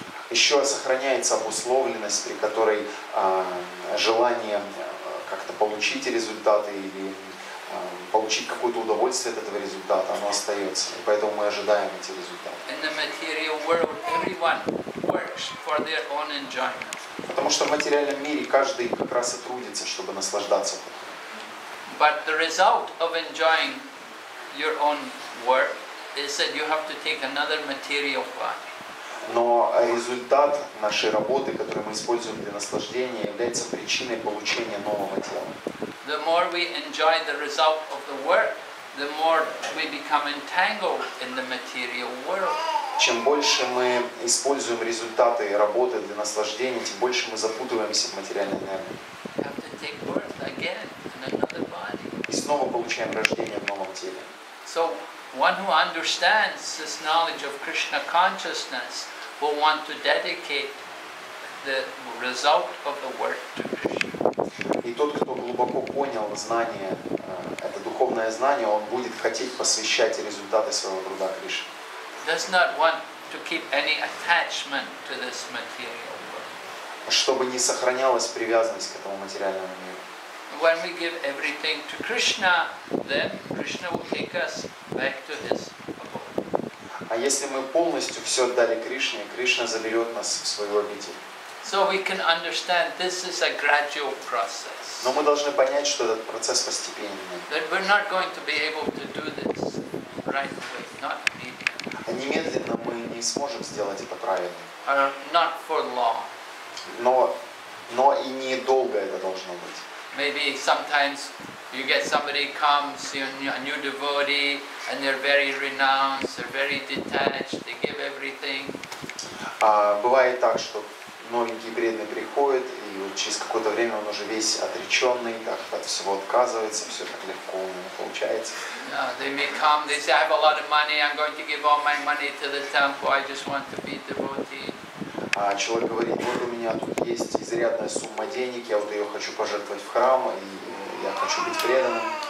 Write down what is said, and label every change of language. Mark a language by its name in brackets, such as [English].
[Russian] Еще сохраняется обусловленность, при которой желание как-то получить результаты или получить какое-то удовольствие от этого результата, оно остается. И поэтому мы ожидаем эти результаты. [English] In the material world, everyone works for their own enjoyment. [Russian] Потому что в материальном мире каждый как раз и трудится, чтобы наслаждаться. [English] But the result of enjoying your own work is that you have to take another material body. [Russian] Но результат нашей работы, который мы используем для наслаждения, является причиной получения нового тела. [English] The more we enjoy the result of the work, the more we become entangled in the material world. [Russian] Чем больше мы используем результаты работы для наслаждения, тем больше мы запутываемся в материальной энергии. [English] We have to take birth again in another body. [Russian] И снова получаем рождение в новом теле. [English] So, one who understands this knowledge of Krishna consciousness will want to dedicate the result of the work to Krishna. [Russian] И тот, кто глубоко понял знание, это духовное знание, он будет хотеть посвящать результаты своего труда Кришне. [English] Does not want to keep any attachment to this material world. [Russian] Чтобы не сохранялась привязанность к этому материальному миру. [English] When we give everything to Krishna, then Krishna will take us back to his abode. [Russian] А если мы полностью все отдали Кришне, Кришна заберет нас в свою обитель. [English] So we can understand this is a gradual process. [Russian] Но мы должны понять, что этот процесс постепенный. [English] That we're not going to be able to do this right away, not immediately. [Russian] Немедленно мы не сможем сделать это правильно. [English] Not for long. [Russian] Но и недолго это должно быть. [English] Maybe sometimes you get somebody comes, a new devotee, and they're very renounced, they're very detached, they give everything. [Russian] Бывает так, что новенький бредный приходит, и вот через какое-то время он уже весь отреченный, так от всего отказывается, все так легко у него получается. [English] They may come, they say, I have a lot of money, I'm going to give all my money to the temple, I just want to be a devotee. [Russian] А человек говорит, вот у меня тут есть изрядная сумма денег, я вот ее хочу пожертвовать в храм, и я хочу быть преданным.